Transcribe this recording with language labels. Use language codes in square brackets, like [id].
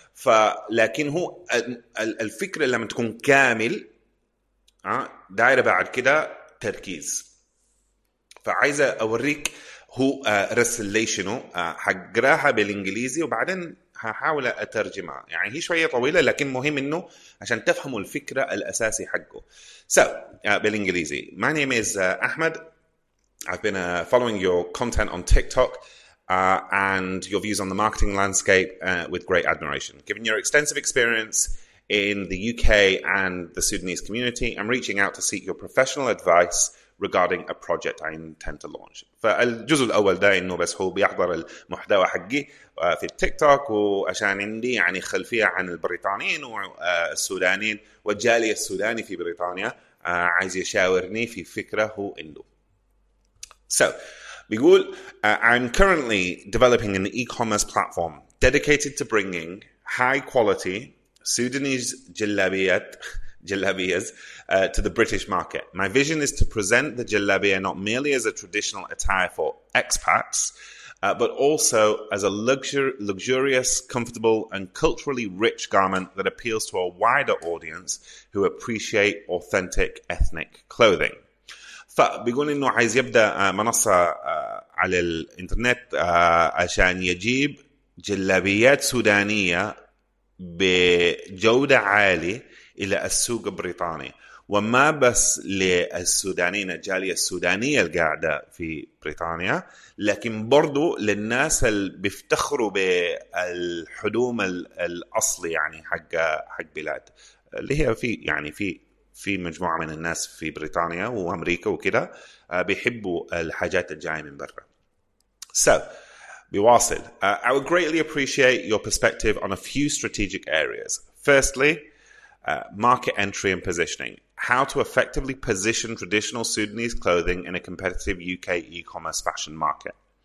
[ar] فلكن هو الفكرة لما تكون كامل دائرة بعد كده تركيز. فعايز أوريك هو رسليشنه، حقراها بالإنجليزي وبعدين هحاول أترجمها. يعني هي شوية طويلة لكن مهم إنه عشان تفهموا الفكرة الأساسي حقه. [en] So [ar] بالإنجليزي: [en] My name is Ahmed. I've been following your content on TikTok and your views on the marketing landscape with great admiration. Given your extensive experience in the UK and the Sudanese community, I'm reaching out to seek your professional advice regarding a project I intend to launch. [ar] فالجزء الأول ده إنه بس هو بيحضر المحتوى حقي في التيك توك، وعشان عندي يعني خلفية عن البريطانيين والسودانيين والجالية السوداني في بريطانيا، عايز يشاورني في فكرة هو عنده. [en] So, [ar] بيقول, [en] I'm currently developing an e-commerce platform dedicated to bringing high quality Sudanese jalabiyas to the British market. My vision is to present the jalabiya not merely as a traditional attire for expats, but also as a luxurious, comfortable, and culturally rich garment that appeals to a wider audience who appreciate authentic ethnic clothing. [ar] فبيقول إنه عايز يبدأ منصة على الإنترنت عشان يجيب جلابيات سودانية بجودة عالية إلى السوق البريطاني، وما بس للسودانيين الجالية السودانية القاعدة في بريطانيا، لكن برضو للناس اللي بيفتخروا بالحدوم الأصلي يعني حق بلاد اللي هي في يعني في مجموعة من الناس في بريطانيا وأمريكا وكده بيحبوا الحاجات الجاية من برا. [en] So, [ar] بواصل, [en] I would greatly appreciate your perspective on a few strategic areas. Firstly, market entry and positioning. How to effectively position traditional Sudanese clothing in a competitive UK e-commerce fashion market.